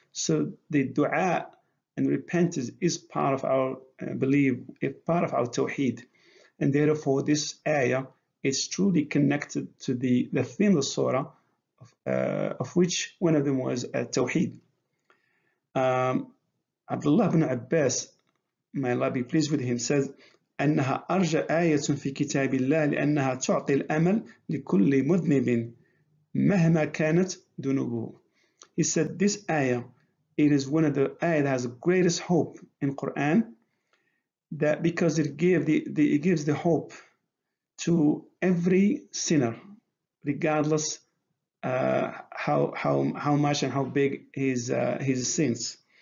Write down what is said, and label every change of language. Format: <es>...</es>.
<en>So the dua and repentance is part of our belief, it's part of our tawheed. And therefore, this ayah is truly connected to the theme of the surah, of which one of them was tawheed. Abdullah ibn Abbas, may Allah be pleased with him, says,</en> <ar>أنها أرجى آية في كتاب الله لأنها تعطي الأمل لكل مذنب مهما كانت ذنوبه.</ar> <en>He said this ayah, it is one of the ayah that has the greatest hope in Quran, that because it gives the hope to every sinner, regardless how much and how big his sins.</en>